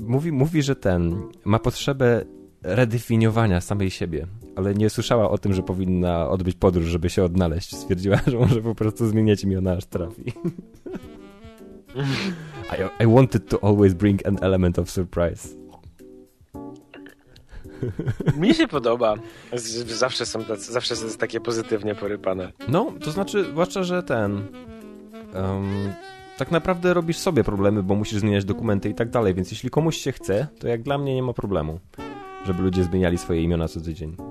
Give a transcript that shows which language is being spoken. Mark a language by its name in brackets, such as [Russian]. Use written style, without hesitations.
[Polish] Mówi, że ten ma potrzebę redefiniowania samej siebie, ale nie słyszała o tym, że powinna odbyć podróż, żeby się odnaleźć. Stwierdziła, że może po prostu zmieniać imiona, aż trafi. [English] I wanted to always bring an element of surprise. [Polish] Mi się podoba. Zawsze są tacy, zawsze jest takie pozytywnie porypane. No, to znaczy, zwłaszcza, że ten... tak naprawdę robisz sobie problemy, bo musisz zmieniać dokumenty i tak dalej, więc jeśli komuś się chce, to jak dla mnie nie ma problemu, żeby ludzie zmieniali swoje imiona co tydzień.